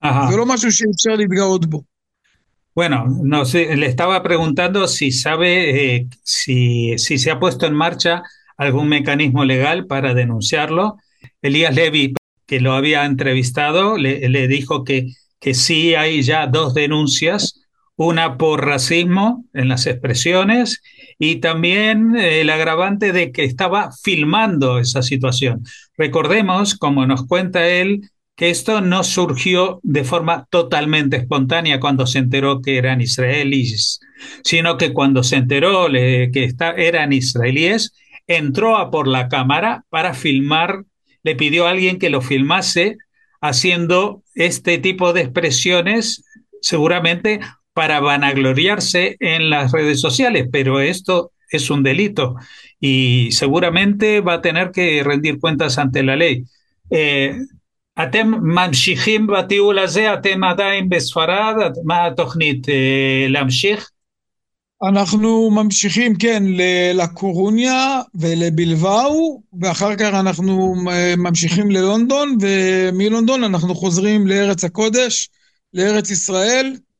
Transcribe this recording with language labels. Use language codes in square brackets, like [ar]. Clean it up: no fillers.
[he] זה לא משהו שאפשר להתגאות בו. [es] Bueno, no sé, le estaba preguntando si sabe si se ha puesto en marcha algún mecanismo legal para denunciarlo. Elías Levy, que lo había entrevistado, le dijo que sí hay ya dos denuncias, una por racismo en las expresiones y también el agravante de que estaba filmando esa situación. Recordemos, como nos cuenta él, que esto no surgió de forma totalmente espontánea cuando se enteró que eran israelíes, sino que cuando se enteró eran israelíes, entró a por la cámara para filmar, le pidió a alguien que lo filmase haciendo este tipo de expresiones, seguramente para vanagloriarse en las redes sociales, pero esto es un delito y seguramente va a tener que rendir cuentas ante la ley. [he] אתם ממשיכים בטיול הזה, אתם עדיין בספרד, מה התוכנית, להמשיך? אנחנו ממשיכים, כן, לקורוניה ולבלבאו, ואחר כך אנחנו ממשיכים ללונדון, ומלונדון אנחנו חוזרים לארץ הקודש, לארץ ישראל.